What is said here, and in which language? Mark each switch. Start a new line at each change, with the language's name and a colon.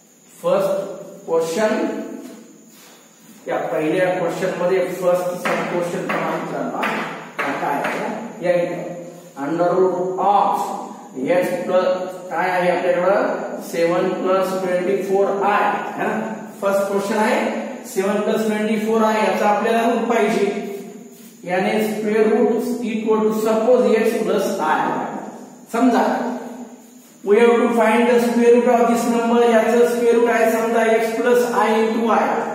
Marathi: First question या पहिल्या question मध्ये फर्स्ट सब क्वेश्चन क्रमांक काय आहे, under route of S plus काय आहे आपल्याकडं 7 + 24 i, है ना. फर्स्ट क्वेश्चन आहे 7 + 24 i, याचा आपल्याला रूट पाहिजे.
English: याने square root equal to suppose S plus I, समजा we have to find the square root of this number.
Marathi: याचं स्क्वेअर रूट आहे समजा x plus I into Y.